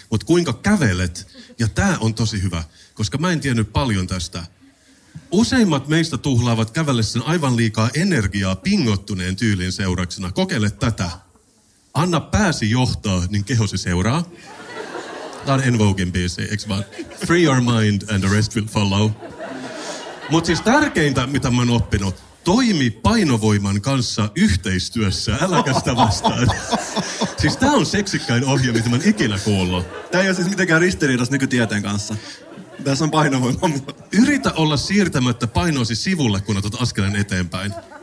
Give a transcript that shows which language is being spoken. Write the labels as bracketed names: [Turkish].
[Finnish] Mutta kuinka kävelet? Ja tämä on tosi hyvä, koska mä en tiennyt paljon tästä. Useimmat meistä tuhlaavat kävellessään aivan liikaa energiaa pingottuneen tyylin seurauksena. Kokeile tätä. Anna pääsi johtaa, niin kehosi seuraa. Tämä on En Voguen biisi, eikö vaan? [English] Free your mind and the rest will follow. [Finnish] Mutta siis tärkeintä, mitä mä oon oppinut, toimi painovoiman kanssa yhteistyössä, äläkä sitä vastaan. Siis tää on seksikkäin ohje, mitä mä oon ikinä kuullut. Tää ei ole siis mitenkään ristiriidassa nykytieteen kanssa. Tässä on painovoima. Yritä olla siirtämättä painoasi sivulle, kun otat askeleen eteenpäin.